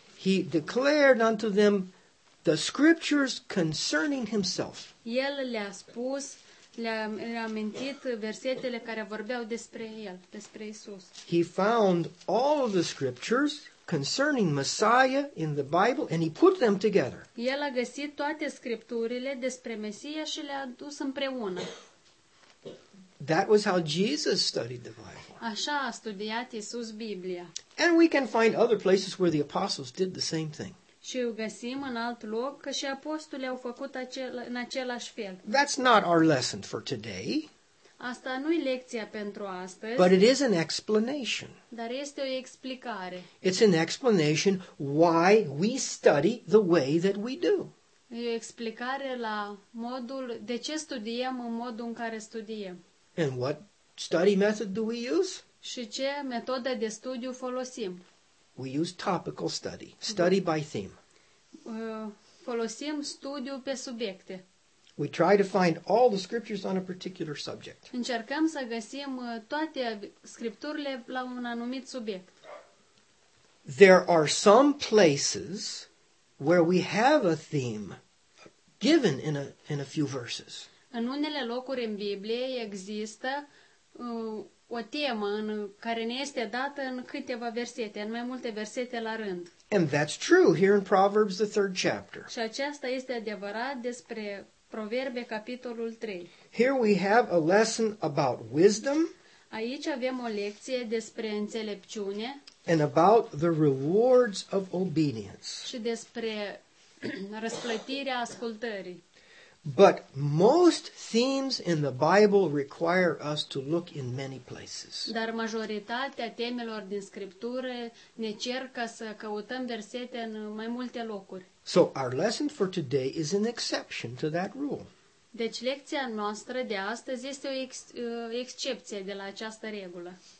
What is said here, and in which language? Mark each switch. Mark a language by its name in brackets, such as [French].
[English] He declared unto them the scriptures concerning himself. [Romanian] El le-a spus, le-a amintit versetele care vorbeau despre el, despre Isus. [English] He found all of the scriptures concerning Messiah in the Bible and he put them together. [Romanian] El a găsit toate scripturile despre Mesia și le-a adus împreună. [English] That was how Jesus studied the Bible. [Romanian] Așa a studiat Isus Biblia. [English] And we can find other places where the apostles did the same thing. [Romanian] Și găsim în alt loc că și apostolii au făcut în același fel. [English] That's not our lesson for today. [Romanian] Asta nu-i lecția pentru astăzi. [English] But it is an explanation. [Romanian] Dar este o explicare. [English] It's an explanation why we study the way that we do. [Romanian] E o explicare la modul de ce studiem în modul în care studiem. [English] And what study method do we use? [Romanian] Și ce metodă de studiu folosim? [English] We use topical study, study by theme. [Romanian] Folosim studiu pe subiecte. [English] We try to find all the scriptures on a particular subject. [Romanian] Încercăm să găsim toate scripturile la un anumit subiect. [English] There are some places where we have a theme given in a few verses. [Romanian] În unele locuri în Biblie există o temă în care ne este dată în câteva versete, în mai multe versete la rând. [English] And that's true here in Proverbs the third chapter. [Romanian] Și aceasta este adevărat despre Proverbe capitolul 3. [English] Here we have a lesson about wisdom. [Romanian] Aici avem o lecție despre înțelepciune. [English] And about the rewards of obedience. [Romanian] Și despre răsplătirea ascultării. [English] But most themes in the Bible require us to look in many places. [Romanian] Dar majoritatea temelor din Scriptură ne cer ca să căutăm versete în mai multe locuri. [English] So our lesson for today is an exception to that rule. [Romanian] Deci lecția noastră de astăzi este o excepție de la această regulă.